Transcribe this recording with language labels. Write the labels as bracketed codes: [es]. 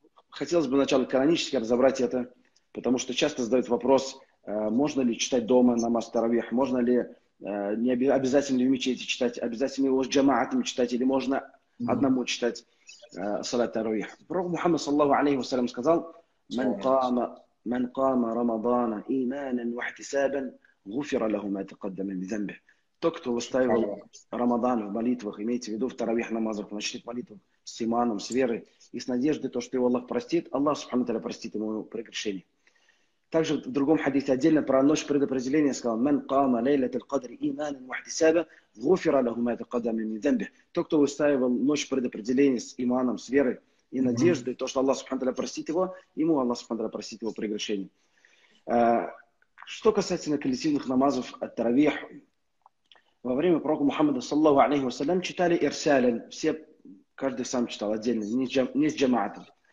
[ru] Хотелось бы сначала канонически разобрать это, потому что часто задают вопрос, можно ли читать дома намаз таравих, можно ли, не обязательно ли в мечети читать, обязательно ли его с джамаатами читать, или можно одному читать صلاه التراويح. [ar] برغم محمد صلى الله عليه وسلم [ru] сказал: [ar] من قام رمضان ايمانا واحتسابا غفر له ما تقدم من ذنبه. [ru] Тот, кто выставил Рамадан в молитвах, имеется в виду в таравих намазах, начнет молитву с иманом, с верой и с надеждой, то, что его Аллах простит, Аллах субхана ва тааля простит ему прегрешение. Также в другом хадисе отдельно про ночь предопределения сказал: [ar] من قام ليلة القدر ايمانا واحتسابا غفر له ما تقدم من ذنبه. [ru] Тот, кто выстаивал ночь предопределения с иманом, с верой и надеждой, то, что Аллах субхана ва тааля простит его, ему Аллах субхана ва тааля простит его прегрешение. Что касается коллективных намазов от таравих, во время пророка Мухаммада саллаллаху алейхи ва саллям читали ирсалин, все, каждый сам читал отдельно, не с джамаатом.